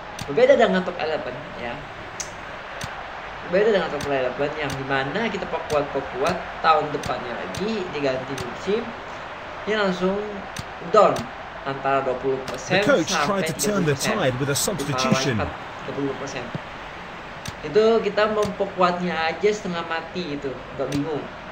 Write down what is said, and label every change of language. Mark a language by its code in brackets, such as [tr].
[id] Berbeda dengan top 11 ya. Beda dengan top 11 yang dimana kita perkuat tahun depannya lagi diganti musim ini langsung down antara 20% sampai 30%. [en] The coach tried to turn the tide with a substitution. [id] 20%. Itu kita memperkuatnya aja setengah mati itu, nggak bingung.